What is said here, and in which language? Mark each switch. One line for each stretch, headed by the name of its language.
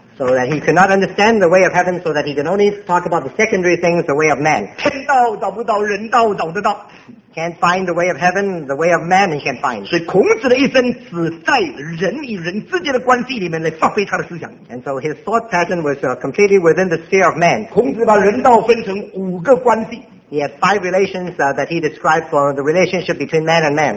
English: So that he could not understand the way of heaven, so that he can only talk about the secondary things, the way of man.
Chinese: 天道找不到，人道找得到。
English: Can't find the way of heaven, the way of man he can find.
Chinese: 所以孔子的一生只在人与人之间的关系里面来发挥他的思想。
English: And so his thought pattern was completely within the sphere of man.
Chinese: 孔子把人道分成五个关系。
English: He had five relations that he described for the relationship between man and man.